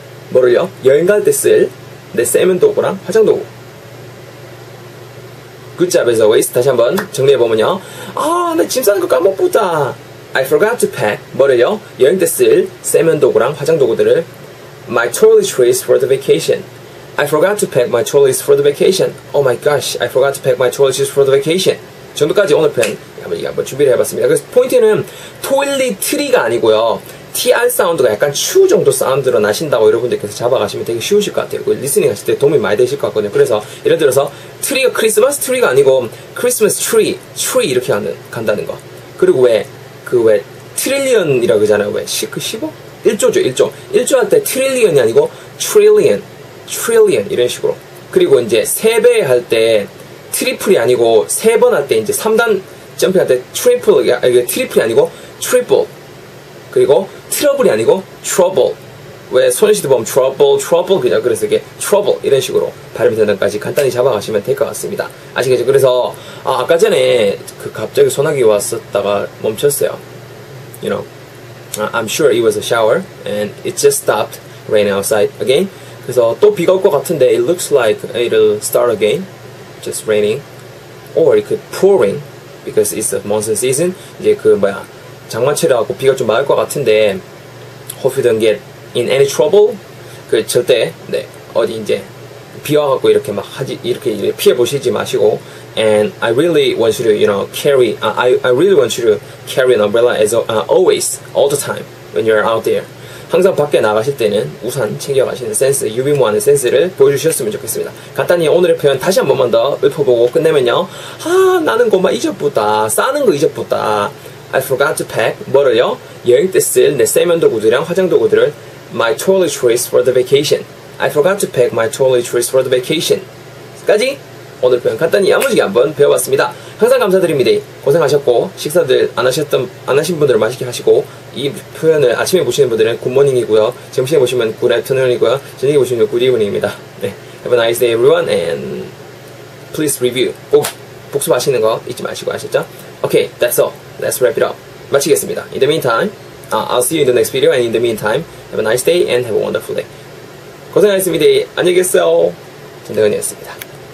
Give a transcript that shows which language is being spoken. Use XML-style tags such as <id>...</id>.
<ko>뭐를요? 여행 갈 때 쓸 내 세면도구랑 화장도구.</ko> <en>Good job as always.</en> <ko>다시 한번 정리해보면요. 아, 나 짐 싸는 거 까먹었다.</ko> <en>I forgot to pack.</en> <ko>뭐를요? 여행 때 쓸 세면도구랑 화장도구들을.</ko> <en>My toiletries for the vacation. I forgot to pack my toiletries for the vacation. Oh my gosh, I forgot to pack my toiletries for the vacation.</en> <ko>정도까지 오늘 편 한번 준비를 해봤습니다. 그래서 포인트는 toiletry가 아니고요. TR 사운드가 약간 추 정도 사운드로 나신다고 여러분들께서 잡아가시면 되게 쉬우실 것 같아요. 리스닝 하실 때 도움이 많이 되실 것 같거든요. 그래서 예를 들어서 트리가 크리스마스 트리가 아니고 크리스마스 트리 이렇게 간다는 거. 그리고 왜 트릴리언이라고 그러잖아요. 왜 15? 1조죠, 1조. 1조 할 때 트릴리언이 아니고 트릴리언.</ko> <en>Trillion 이런 식으로.</en> <ko>그리고 이제 3배 할 때 트리플이 아니고 3번 할 때 이제 3단 점프 할 때 트리플이 아니고 트리플. 그리고 트러블이 아니고 트러블. 왜 손시도 보면 트러블 그냥 그래서 이게 트러블 이런 식으로 발음 단단까지 간단히 잡아가시면 될 것 같습니다. 아시겠죠? 그래서 아까 전에 그 갑자기 소나기 왔었다가 멈췄어요.</ko> <en>You know, I'm sure it was a shower and it just stopped raining outside again.</en> <ko>그래서 또 비가 올 것 같은데</ko> <en>it looks like it'll start again, just raining, or it could pouring because it's the monsoon season.</en> <ko>이제 그 뭐야 장마철이라고 비가 좀 많을 것 같은데</ko> <en>hope you don't get in any trouble.</en> <ko>그 절대 네 어디 이제 비와 갖고 이렇게 막 하지 이렇게 피해 보시지 마시고</ko> <en>and I really want you to you know carry I really want you to carry an umbrella as always all the time when you're out there.</en> <ko>항상 밖에 나가실 때는 우산 챙겨가시는 센스, 유비무한의 센스를 보여주셨으면 좋겠습니다. 간단히 오늘의 표현 다시 한 번만 더 읊어보고 끝내면요. 아, 나는 그만 잊어보다. 싸는 거 잊어보다.</ko> <en>I forgot to pack.</en> <ko>뭐를요? 여행 때 쓸 내 세면도구들이랑 화장도구들을.</ko> <en>My toiletries for the vacation. I forgot to pack my toiletries for the vacation.</en> <ko>까지 오늘 표현 간단히 야무지게 한번 배워봤습니다. 항상 감사드립니다. 고생하셨고 식사들 안 하신 분들은 맛있게 하시고 이 표현을 아침에 보시는 분들은 굿모닝이고요. 점심에 보시면 굿애프터눈이고요. 저녁에 보시면 굿이브닝입니다.</ko> <en>네, Have a nice day everyone and please review.</en> <ko>꼭 복습하시는 거 잊지 마시고 아셨죠?</ko> <en>Okay, that's all. Let's wrap it up.</en> <ko>마치겠습니다.</ko> <en>In the meantime, I'll see you in the next video and in the meantime, have a nice day and have a wonderful day.</en> <ko>고생하셨습니다. 안녕히 계세요. 전대건이었습니다.</ko>